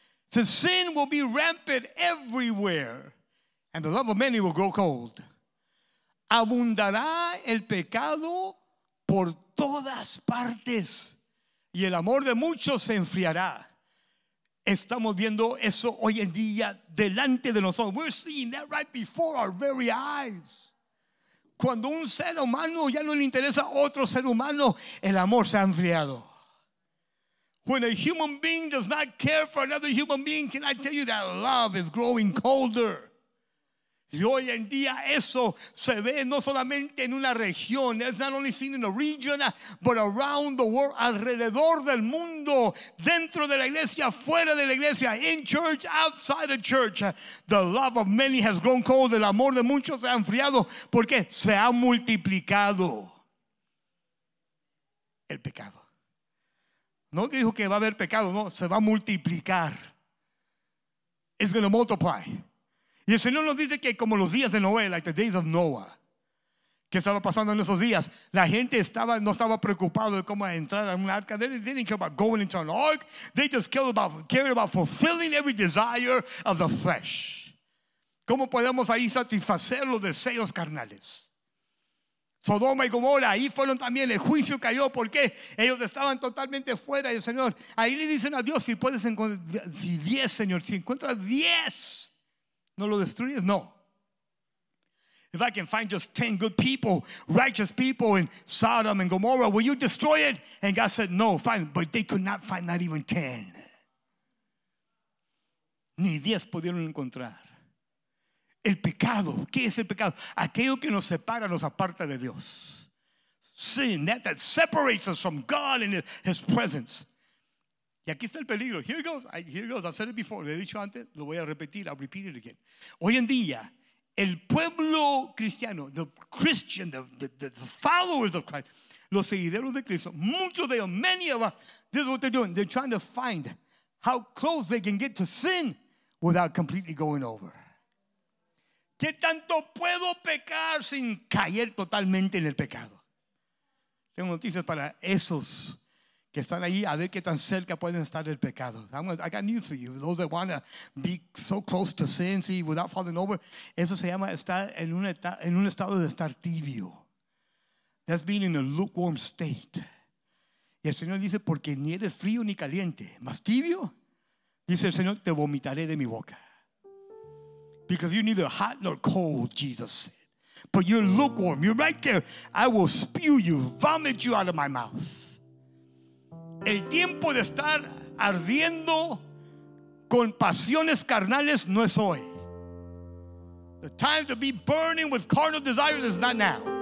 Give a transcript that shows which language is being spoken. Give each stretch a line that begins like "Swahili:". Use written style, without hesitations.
English: It says, sin will be rampant everywhere, and the love of many will grow cold.
Spanish: Abundará el pecado por todas partes, y el amor de muchos se enfriará. Estamos viendo eso hoy en día delante de nosotros.
English: We're seeing that right before our very eyes.
Spanish: Cuando un ser humano ya no le interesa a otro ser humano, el amor se ha enfriado.
English: When a human being does not care for another human being, can I tell you that love is growing colder?
Spanish: Y hoy en día eso se ve no solamente en una región,
English: it's not only seen in a region, but around the world,
Spanish: alrededor del mundo, dentro de la iglesia, fuera de la iglesia,
English: in church, outside the church. The love of many has grown cold,
Spanish: el amor de muchos se ha enfriado, porque se ha multiplicado el pecado. No dijo que va a haber pecado, no, se va a multiplicar.
English: It's going to multiply.
Spanish: Y el Señor nos dice que como los días de Noé,
English: like the days of Noah,
Spanish: ¿qué estaba pasando en esos días? La gente estaba, no estaba preocupado de cómo entrar a un arca.
English: They didn't care about going into an ark. They just cared about fulfilling every desire of the flesh.
Spanish: ¿Cómo podemos ahí satisfacer los deseos carnales? Sodoma y Gomorra, ahí fueron también, el juicio cayó. ¿Por qué? Ellos estaban totalmente fuera. Y el Señor, ahí le dicen a Dios, si puedes encontrar, si 10, Señor, si encuentras 10, no lo destruyes, no.
English: If I can find just 10 good people, righteous people in Sodom and Gomorrah, will you destroy it? And God said, no, fine. But they could not find not even 10.
Spanish: Ni 10 pudieron encontrar. El pecado, ¿qué es el pecado? Aquello que nos separa, nos aparta de Dios.
English: Sin, that separates us from God and his presence.
Spanish: Y aquí está el peligro.
English: Here goes, I've said it before.
Spanish: Lo he dicho antes, lo voy a repetir.
English: I'll repeat it again.
Spanish: Hoy en día, el pueblo cristiano,
English: the Christian, the followers of Christ,
Spanish: los seguidores de Cristo, muchos de ellos,
English: many of us, this is what they're doing. They're trying to find how close they can get to sin without completely going over.
Spanish: ¿Qué tanto puedo pecar sin caer totalmente en el pecado? Tengo noticias para esos que están ahí, a ver qué tan cerca pueden estar del pecado.
English: I got news for you. Those that want to be so close to sin, see, without falling over,
Spanish: eso se llama estar en un estado de estar tibio.
English: That's being in a lukewarm state.
Spanish: Y el Señor dice, porque ni eres frío ni caliente, más tibio, dice el Señor, te vomitaré de mi boca.
English: Because you're neither hot nor cold, Jesus said. But you're lukewarm. You're right there. I will spew you, vomit you out of my mouth.
Spanish: El tiempo de estar ardiendo con pasiones carnales no es hoy.
English: The time to be burning with carnal desires is not now.